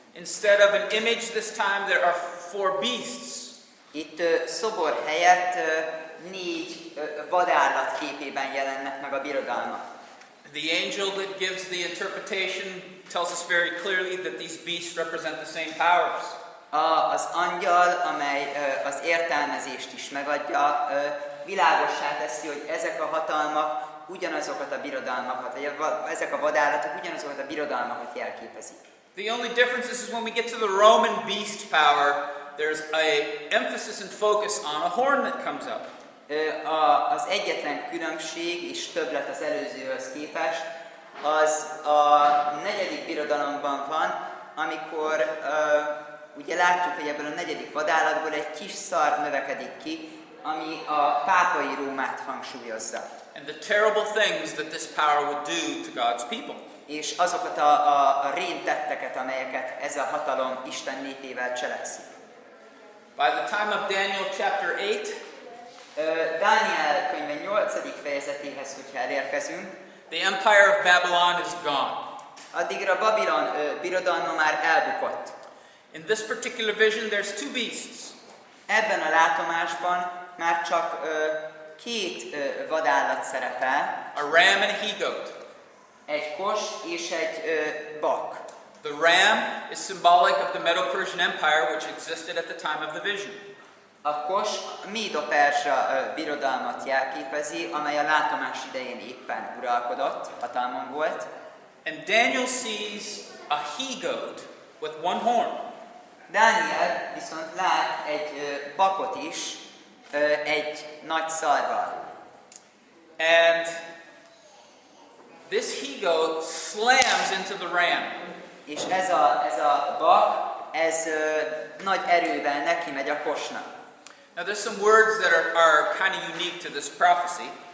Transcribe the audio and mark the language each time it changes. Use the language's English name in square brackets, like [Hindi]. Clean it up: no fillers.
[English] Instead of an image this time, there are 4 beasts. [Hungarian] Itt szobor helyett 4 vadállat képében jelennek meg a birodalmak. [English] The angel that gives the interpretation tells us very clearly that these beasts represent the same powers. [Hungarian] Az angyal, amely az értelmezést is megadja, világossá teszi, hogy ezek a hatalmak ugyanazokat a birodalmakat, vagy ezek a vadállatok ugyanazokat a birodalmakat jelképezik. [English] The only difference is when we get to the Roman beast power, there's a emphasis and focus on a horn that comes up. [Hungarian] Az egyetlen különbség és többlet az előzőhöz képest, az a negyedik birodalomban van, amikor ugye látjuk, hogy ebből a negyedik vadállatból egy kis szar növekedik ki, ami a pápai Rómát hangsúlyozza. [English] And the terrible things that this power would do to God's people. [Hungarian] És azokat a rém tetteket, amelyeket ez a hatalom Isten népével cselekszik. [English] By the time of Daniel chapter 8, [Hungarian] Dániel könyve 8. fejezetéhez, hogyha elérkezünk, [English] the empire of Babylon is gone. [Hungarian] Addigra Babilon birodalma már elbukott. [English] In this particular vision there's two beasts. [Hungarian] Ebben a látomásban már csak két vadállat szerepel. [English] A ram and a he-goat. [Hungarian] Egy kos és egy bak. [English] The ram is symbolic of the Medo-Persian Empire, which existed at the time of the vision. [Hungarian] A kos a Medo-Persia birodalmat jelképezi, amely a látomás idején éppen uralkodott, hatalmon volt. [English] And Daniel sees a he-goat with one horn. [Hungarian] Daniel viszont lát egy bakot is, egy nagy szarval. [English] And this he-goat slams into the ram. [Hungarian] És ez a bak, ez nagy erővel neki megy a kosnak. [English] Now there's some words that are kind of unique to this prophecy.